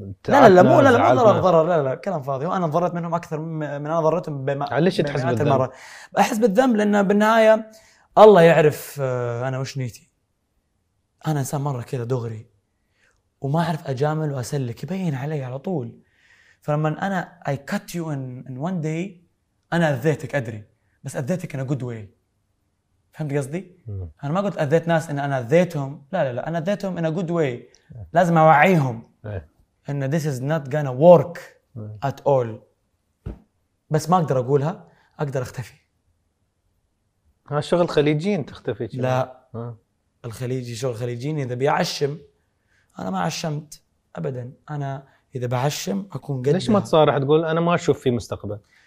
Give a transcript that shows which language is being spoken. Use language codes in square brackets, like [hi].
[ar] لا مو ضرر، لا كلام فاضي. وانا ضررت منهم اكثر من انا ضررتهم. ليش تحس بالذنب؟ احس بالذنب لان بالنهايه الله يعرف انا وش نيتي. انا انسان مره كذا دغري، وما أعرف أجامل وأسلك يبين علي على طول. فلما أنا [en] I cut you in one day [ar] أنا أذيتك أدري بس أذيتك [en] in a good way. [ar] فهمت قصدي؟ أنا ما قلت أذيت ناس إن أنا أذيتهم، لا لا لا أنا أذيتهم [en] in a good way. [ar] لازم أوعيهم إن [en] this is not gonna work at all. [ar] بس ما أقدر أقولها، أقدر أختفي. ها شغل خليجين تختفي؟ لا الخليجي شغل خليجين إذا بيعشم. أنا ما عشمت أبدا، أنا إذا بعشم أكون قد. ليش ما تصارح تقول أنا ما أشوف في مستقبل؟